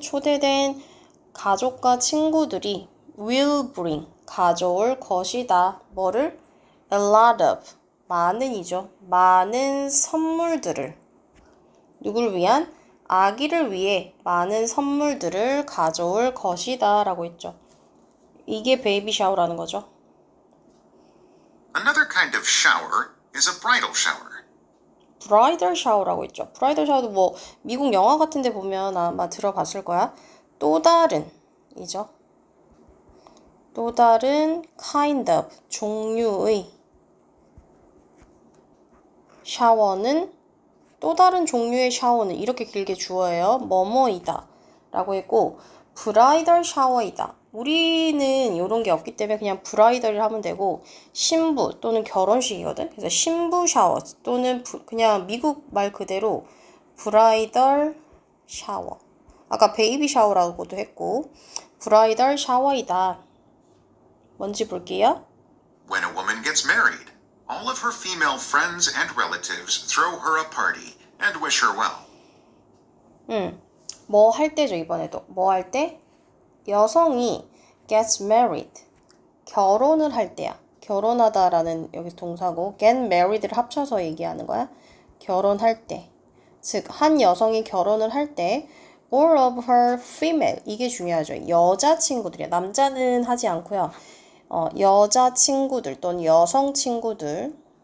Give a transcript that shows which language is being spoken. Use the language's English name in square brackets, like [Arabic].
[Korean] 초대된 가족과 친구들이 [English] will bring [Korean] 가져올 것이다. 뭐를? [English] A lot of, [Korean] 많은이죠. 많은 선물들을. 누구를 위한? 아기를 위해 많은 선물들을 가져올 것이다. 라고 했죠. 이게 베이비 샤워라는 거죠. [English] Another kind of shower is a bridal shower. [Korean] 브라이덜 샤워라고 했죠. 브라이덜 샤워도 뭐, 미국 영화 같은 데 보면 아마 들어봤을 거야. 또 다른, 이죠. 또 다른 [English] kind of, [Korean] 종류의. 샤워는 또 다른 종류의 샤워는 이렇게 길게 주어예요. 뭐뭐이다 라고 했고, 브라이덜 샤워이다. 우리는 이런 게 없기 때문에 그냥 브라이덜을 하면 되고, 신부 또는 결혼식이거든. 그래서 신부 샤워 또는 그냥 미국 말 그대로 브라이덜 샤워. 아까 베이비 샤워라고도 했고, 브라이덜 샤워이다. 뭔지 볼게요. [English] When a woman gets married, all of her female friends and relatives throw her a party and wish her well. [Korean] 뭐할 때죠, 이번에도. 뭐할 때? 여성이 [English] gets married. [Korean] 결혼을 할 때야. 결혼하다라는 여기 동사고, get married를 합쳐서 얘기하는 거야. 결혼할 때. 즉, 한 여성이 결혼을 할 때, [English] all of her female. [Korean] 이게 중요하죠. 여자친구들이야. 남자는 하지 않고요. 여자친구들 또는 여성친구들.